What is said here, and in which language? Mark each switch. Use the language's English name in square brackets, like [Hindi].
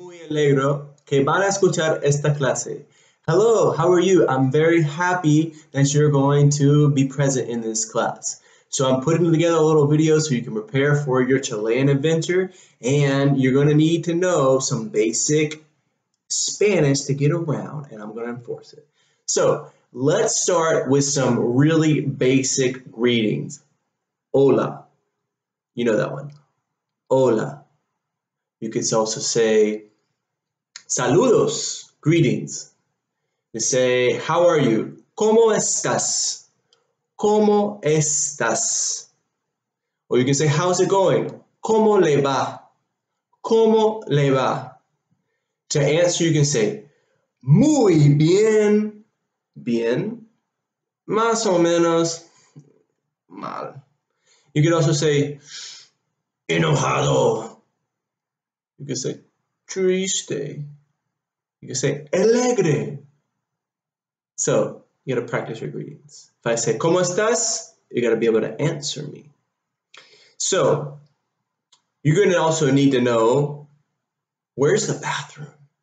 [Spanish] Alegro que van a escuchar esta clase. [English] Hello, how are you? I'm very happy that you're going to be present in this class. So I'm putting together a little video so you can prepare for your Chilean adventure, and you're going to need to know some basic Spanish to get around, and I'm going to enforce it. So let's start with some really basic greetings. Hola. You know that one. Hola. You could also say saludos, greetings. They say, how are you? [Spanish] ¿Cómo estás? ¿Cómo estás? [English] Or you can say, how's it going? [Spanish] ¿Cómo le va? ¿Cómo le va? [English] To answer, you can say, [Spanish] muy bien, bien, más o menos, mal. [English] You can also say, enojado. You can say, triste. You can say, alegre. So, you gotta practice your greetings. If I say, [Spanish] ¿cómo estás? [English] You gotta be able to answer me. So, you're gonna also need to know, where's the bathroom?